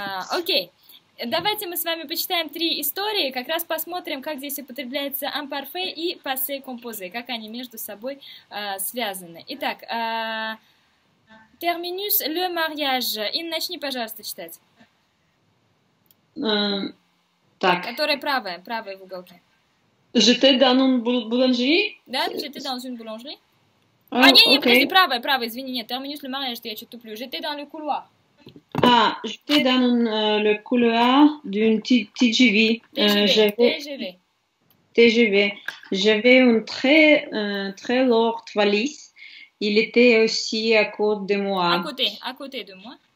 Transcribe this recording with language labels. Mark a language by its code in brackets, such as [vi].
[ru] Окей, давайте мы с вами почитаем три истории, как раз посмотрим, как здесь употребляется ампарфе и пассе композе, как они между собой связаны. Итак, терминус ле мариаж. Ин, начни, пожалуйста, читать. Так. Которая правая, правая в уголке. [fr] J'étais dans une boulangerie. Да, j'étais dans une boulangerie. А, Oh, [ru] не, подожди, [en] okay. [ru] правая, правая, извини, нет, [fr] terminus le mariage, [ru] что я что-то туплю. [fr] J'étais dans le couloir. Ah, j'étais dans le couloir d'une TGV. TGV. J'avais une très lourde valise. Il était aussi à côté de moi. À côté de moi.